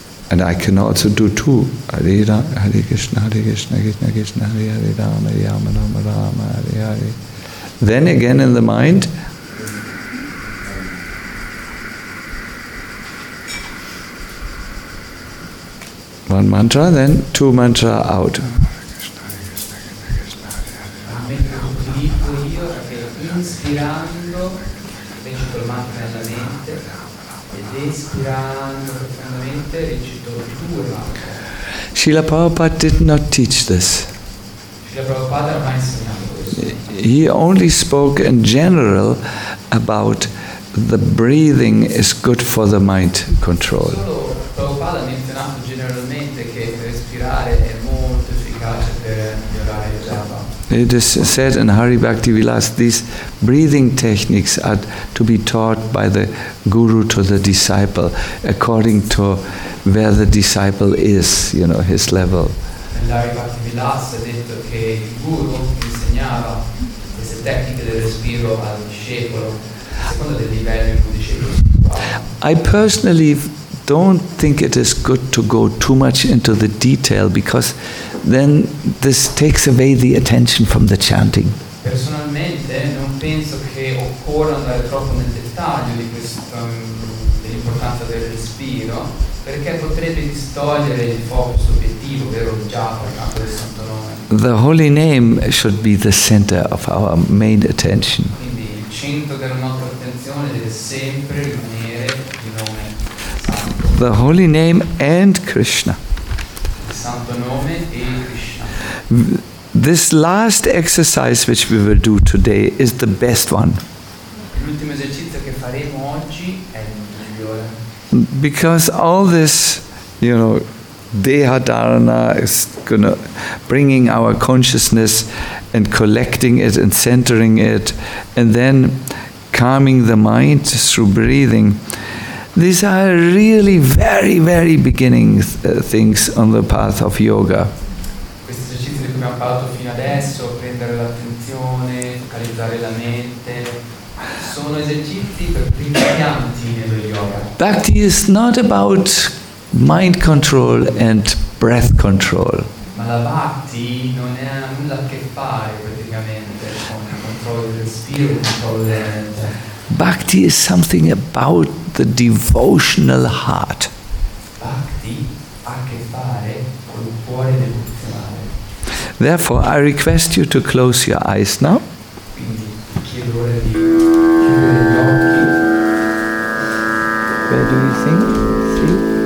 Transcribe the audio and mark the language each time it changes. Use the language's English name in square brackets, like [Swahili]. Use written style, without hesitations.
[English] And I can also do two, Hare Rama, Hare Krishna, Hare Krishna, Krishna Krishna, Hare Hare, Rama, Rama, Rama, Rama, Hare Hare. Then again in the mind, one mantra, then two mantra out. [Italian] Inspirando, recito il mantra nella mente ed espirando profondamente recito due mantra. [English] Srila Prabhupada did not teach this. [Italian] Srila Prabhupada non ha mai insegnato questo. [English] He only spoke in general about the breathing is good for the mind control. [Italian] Solo Prabhupada ha menzionato generalmente che respirare è molto efficace per migliorare il japa. [English] It is said in Hari Bhakti Vilas, these breathing techniques are to be taught by the guru to the disciple, according to where the disciple is, you know, his level. [Italian] In Hari Bhakti Vilas, ha detto che il guru insegnava queste tecniche del respiro al discepolo secondo il livello in cui discepolo. [English] I personally don't think it is good to go too much into the detail because then this takes away the attention from the chanting. [Italian] Personalmente non penso che occorra andare troppo nel dettaglio di questo dell'importanza del respiro perché potrebbe distogliere il focus obiettivo, ovvero il japa, il canto del santo nome. [English] The holy name should be the center of our main attention. [Italian] Quindi il centro della nostra attenzione deve sempre rimanere il nome. [English] The holy name and Krishna. [Italian] Santo nome e Krishna. [English] This last exercise which we will do today is the best one. [Italian] L'ultimo esercizio che faremo oggi è il migliore. [English] Because all this, you know, Dehadharana is gonna bringing our consciousness and collecting it and centering it and then calming the mind through breathing. These are really very, very beginning things on the path of yoga. [Italian] Questi esercizi di cui abbiamo parlato fino adesso, prendere l'attenzione, focalizzare la mente, sono esercizi per principianti nello yoga. [English] Bhakti is not about mind control and breath control. [Italian] Ma la bhakti non ha nulla a che fare praticamente con il controllo del respiro, il controllo della mente. [English] Bhakti is something about the devotional heart. [Italian] Bhakti ha a che fare con il cuore devozionale. [English] Therefore, I request you to close your eyes now. [Italian] Quindi, chiedo ora di chiudere gli occhi. [English] Where do you think? See?